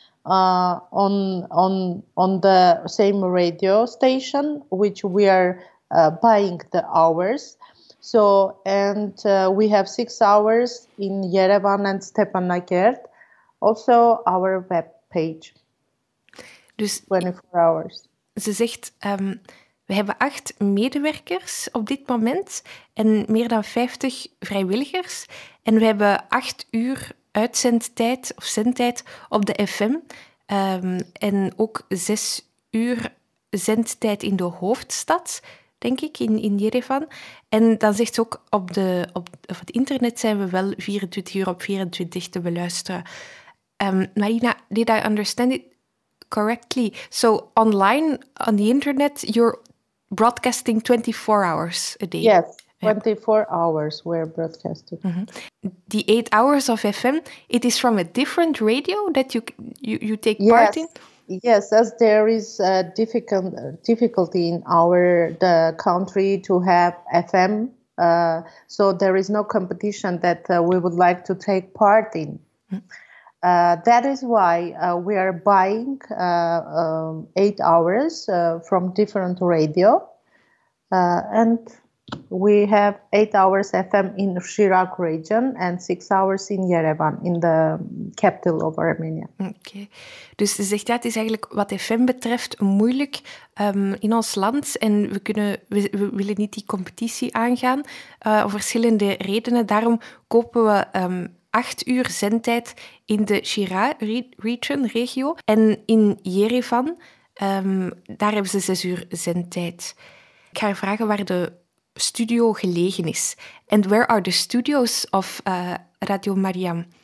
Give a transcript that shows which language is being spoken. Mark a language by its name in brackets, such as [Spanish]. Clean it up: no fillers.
[English] On the same radio station, which we are buying the hours. So, and we have 6 hours in Yerevan and Stepanakert. Also, our web page. [Dutch] Dus [English] 24 hours. [Dutch] Ze zegt, we hebben 8 medewerkers op dit moment en meer dan 50 vrijwilligers. En we hebben 8 uur uitzendtijd of zendtijd op de FM en ook 6 uur zendtijd in de hoofdstad. denk ik, in Yerevan. En dan zegt ze ook, op het internet zijn we wel 24 uur op 24 te beluisteren. [English] Marina, did I understand it correctly? So online, on the internet, you're broadcasting 24 hours a day. Yes, 24 hours we're broadcasting. Mm-hmm. The 8 hours of FM, it is from a different radio that you take part in? Yes, as there is a difficulty in the country to have FM, so there is no competition that we would like to take part in. That is why we are buying 8 hours from different radio, and we have 8 hours FM in Shirak region and 6 hours in Yerevan, in the capital of Armenia. [Dutch] Oké. Dus ze zegt, ja, het is eigenlijk wat FM betreft moeilijk in ons land en we willen niet die competitie aangaan. Om verschillende redenen, daarom kopen we 8 uur zendtijd in de Shirak region, regio. En in Yerevan, daar hebben ze 6 uur zendtijd. Ik ga haar vragen waar de studio gelegen is. [English] And where are the studios of Radio Mariam?